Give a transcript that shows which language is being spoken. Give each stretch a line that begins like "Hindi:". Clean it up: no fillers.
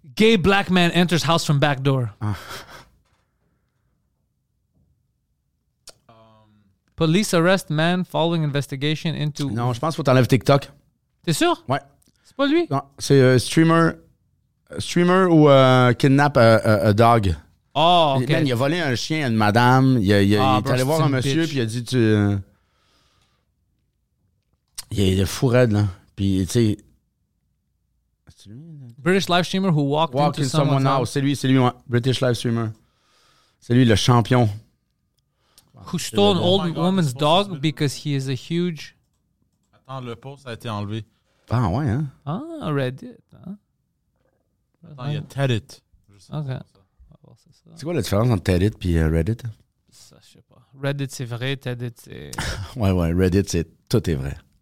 English: Gay black man enters house from back door. Police arrest man following investigation into.
French: Non, je pense qu'il faut enlever TikTok. T'es sûr? Ouais. C'est pas lui? Non, c'est streamer. Streamer ou kidnap a dog. Oh, okay. Man, il a volé un chien à une madame. Il est allé voir un monsieur, puis il a dit tu. Il est fou raide, là. Puis, tu sais.
English: British live streamer who walked into someone's house.
French: C'est lui, ouais. British live streamer. C'est lui, le champion.
English: Who stole an old woman's dog because he is a huge.
French: Attends, le post a été enlevé. Ah, ouais, hein. Ah, Reddit. Hein? Attends, il y a Reddit. Ok. C'est quoi la différence entre Reddit et Reddit? Ça, je sais pas. Reddit, c'est vrai. Reddit, c'est. ouais, Reddit, c'est. Tout est vrai.